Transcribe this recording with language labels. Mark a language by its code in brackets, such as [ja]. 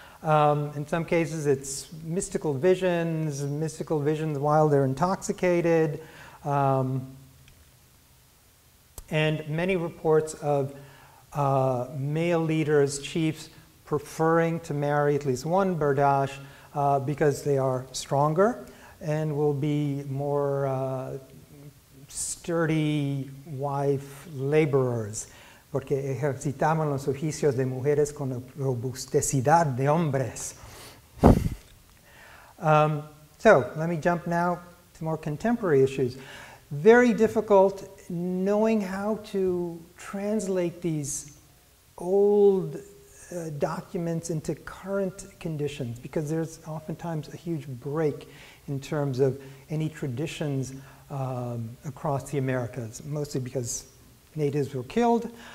[en] In some cases, it's mystical visions while they're intoxicated, and many reports of male leaders, chiefs, preferring to marry at least one Berdash because they are stronger and will be more sturdy wife laborers. [es] Porque ejercitaban los oficios de mujeres con la robustecidad de hombres. [en] So let me jump now to more contemporary issues. Very difficult knowing how to translate these old documents into current conditions, because there's oftentimes a huge break in terms of any traditions across the Americas, mostly because natives were killed.